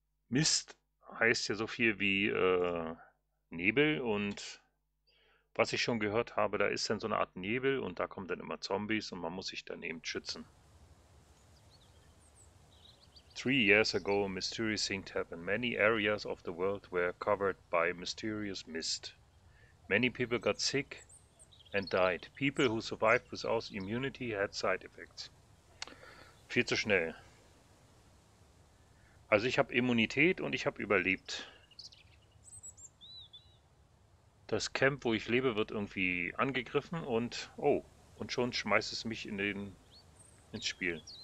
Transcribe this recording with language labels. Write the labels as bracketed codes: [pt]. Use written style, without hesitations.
[de] Mist heißt ja so viel wie Nebel und was ich schon gehört habe, da ist dann so eine Art Nebel und da kommen dann immer Zombies und man muss sich dann eben schützen. [en] 3 years ago, a mysterious thing happened. Many areas of the world were covered by mysterious mist. Many people got sick and died. People who survived without immunity had side effects. [de] Viel zu schnell. Also ich habe Immunität und ich habe überlebt. Das Camp, wo ich lebe, wird irgendwie angegriffen und oh, und schon schmeißt es mich in ins Spiel.